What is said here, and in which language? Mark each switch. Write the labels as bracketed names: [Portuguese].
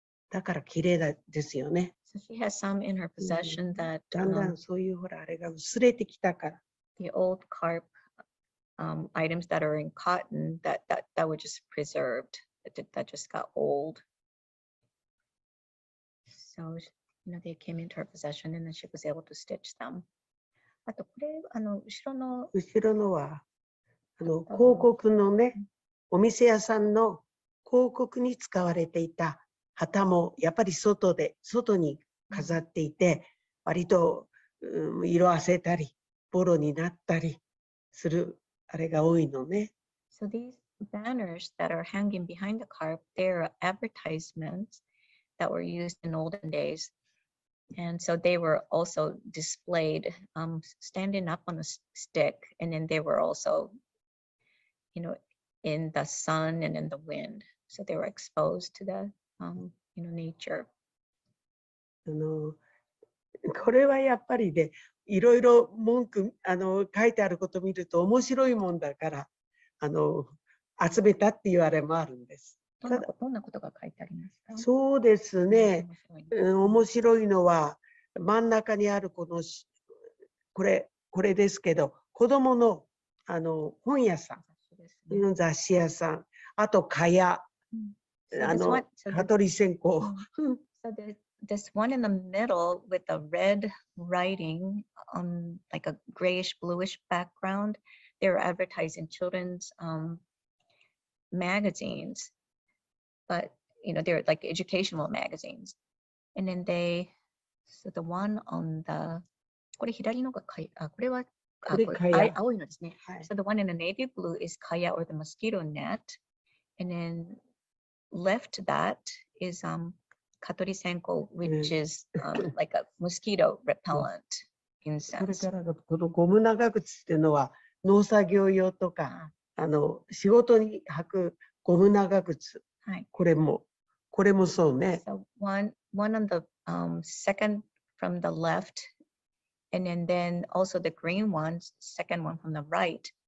[Japanese] だから綺麗ですよね。 [English] So she has some in her possession that, [Japanese] だんだんそういうほらあれが薄れてきたから。 [English] The old carp. Items that are in cotton that were just preserved that just got old. So, you know, they came into her possession and then she was able to stitch them. [Japanese] あとこれ、後ろのは、広告のね、お店屋さんの広告に使われていた旗もやっぱり外に飾っていて、割と、色褪せたり、ボロになったりする。あれが多いのね。 [English] So these banners that are hanging behind the carp, they're advertisements that were used in olden days. And so they were also displayed standing up on a stick, and then they were also, you know, in the sun and in the wind. So they were exposed to the, you know, nature. [Japanese] これはやっぱりね、いろいろ文句書いてあることを見ると面白いもんだから集めたって言われもあるんです。どんなことが書いてありますか？そうですね。面白いのは真ん中にあるこのこれですけど、子供の本屋さん、雑誌屋さん、あと蚊帳、蚊取り線香。 [English] This one in the middle with a red writing on like a grayish bluish background, they're advertising children's magazines, but you know, they're like educational magazines. And then the one on the, [Japanese] これ左のがかい、あ、これは、あ、これ、かや。青いのですね。はい。 [English] So the one in the navy blue is kaya or the mosquito net. And then left that is, Katori Senko, which is like a mosquito repellent incense. [Japanese] それからだとこのゴム長靴っていうのは農作業用とか仕事に履くゴム長靴。はい。これもそうね。 [English] So one on the second from the left, and then also the green ones, second one from the right.